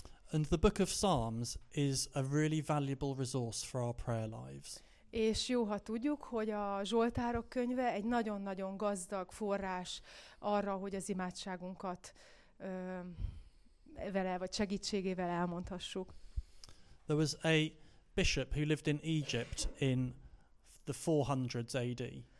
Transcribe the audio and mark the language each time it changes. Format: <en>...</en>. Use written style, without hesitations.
<en>And the book of Psalms is a really valuable resource for our prayer lives.</en> <hu>És jó, ha tudjuk, hogy a Zsoltárok könyve egy nagyon-nagyon gazdag forrás arra, hogy az imádságunkat vele vagy segítségével elmondhassuk.</hu> <en>There was a bishop who lived in Egypt in the 400s AD.</en>